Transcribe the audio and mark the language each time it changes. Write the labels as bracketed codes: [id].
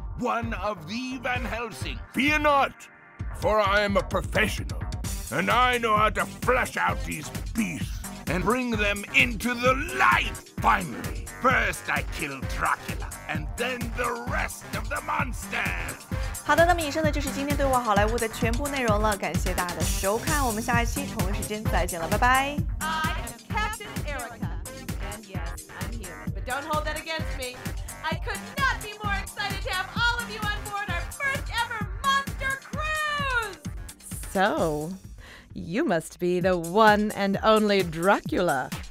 [en] One of the Van Helsing. Fear not, for I am a professional, and I know how to flush out these beasts and bring them into the light, finally. First, I kill Dracula, and then the rest of the monsters. [zh] 好的，那么以上呢就是今天对话好莱坞的全部内容了，感谢大家的收看，我们下一期同一时间再见了，拜拜。 [en] I am Captain Erica, and yes, I'm human, but don't hold that against me. I could not be more excited to have all of you on board our first ever monster cruise! So, you must be the one and only Dracula.